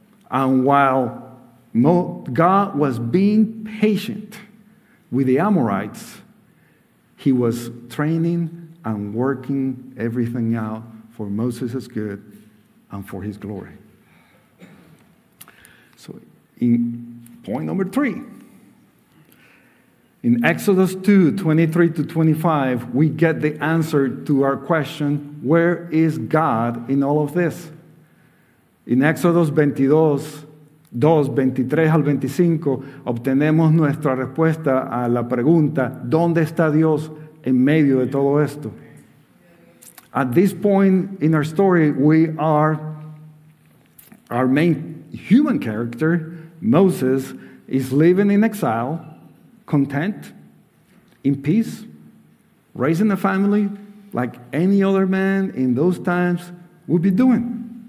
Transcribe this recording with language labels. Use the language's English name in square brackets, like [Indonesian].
[English] And while God was being patient with the Amorites, he was training and working everything out for Moses' good and for his glory. So in point number three, in Exodus 2, 23 to 25, we get the answer to our question, where is God in all of this? [Spanish] In Exodus 22:23-25, obtenemos nuestra respuesta a la pregunta, ¿dónde está Dios en medio de todo esto? [English] At this point in our story, we are, our main human character, Moses, is living in exile, content, in peace, raising a family like any other man in those times would be doing.